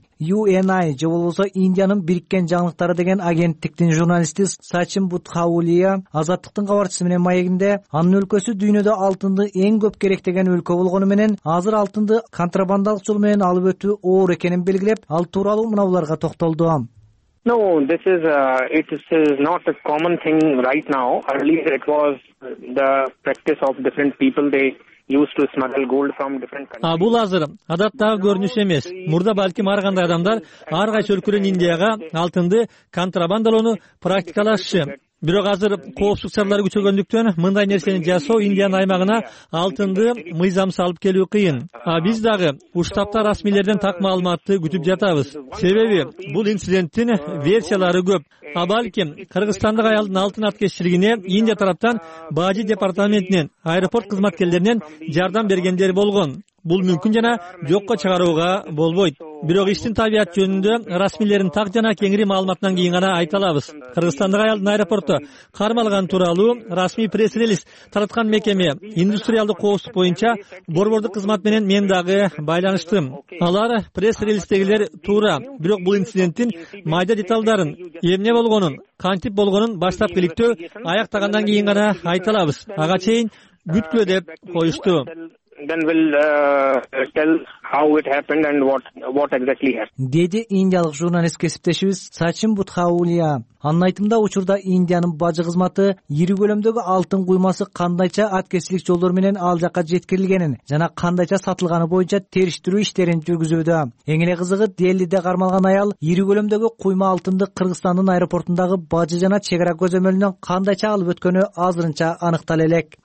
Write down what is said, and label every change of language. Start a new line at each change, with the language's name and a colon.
Kyrgyz: UNI же болсо Индиянын Бириккен Жаңылыктары деген агенттиктин журналисти Сачин Бутхаулия Азаттыктын кабарчысы менен маегинде анын өлкөсү дүйнөдө алтынды эң көп керек деген өлкө болгону менен азыр алтынды контрабандалык жол менен алып өтүү оор экенин белгилеп, ал тууралуу мынауларга токтолду.
English: No, this is not a common thing right now. Earlier it was the practice of different people, they used to smuggle gold from different countries.
Kyrgyz: Бул азыр адаттагы көрүнүш эмес. Мурда балким ар кандай адамдар ар кайсы өлкөдөн Индияга алтынды контрабандалоону практикалашчу. Бирок азыр коопсуздук чаралары күчөгөндүктөн мындай нерсени жасоо Индиянын аймагына алтынды мыйзамсыз алып келүү кыйын. А биз дагы уштапта расмийлерден так маалыматты күтүп жатабыз. Себеби бул инциденттин версиялары көп. А балким кыргызстандык аялдын алтын аткезчилигине Индия тараптан бажы департаментинен аэропорт кызматкерлеринен жардам бергендер болгон. Бул мүмкүн жана жокко чыгарууга болбойт. Бирок иштин табияты жөнүндө расмийлердин так жана кеңири маалыматынан кийин гана айта алабыз. Кыргызстандык аялдын аэропортто кармалган тууралуу расмий пресс-релиз тараткан мекеме индустриалдык коопсуздук боюнча борбордук кызмат менен мен дагы байланыштым. Алар пресс-релиздегилер туура, бирок бул инциденттин майда деталдарын, эмне болгонун, кантип болгонун баштапкы иликтөө аяктагандан кийин гана айта алабыз. Ага чейин күткүлө деп коюшту.
English: Then we'll tell how it happened and what exactly happened.
Kyrgyz: Деди индиялык журналист кесиптешибиз Сачин Бутхаулия. Анын айтымында учурда Индиянын бажы кызматы ири көлөмдөгү алтын куймасы кандайча аткезчилик жолдору менен ал жакка жеткирилгенин жана кандайча сатылганы боюнча териштирүү иштерин жүргүзүүдө. Эң эле кызыгы Делиде кармалган аял ири көлөмдөгү куйма алтынды Кыргызстандын аэропортундагы бажы жана чек ара көзөмөлүнөн кандайча алып өткөнү азырынча аныктала элек.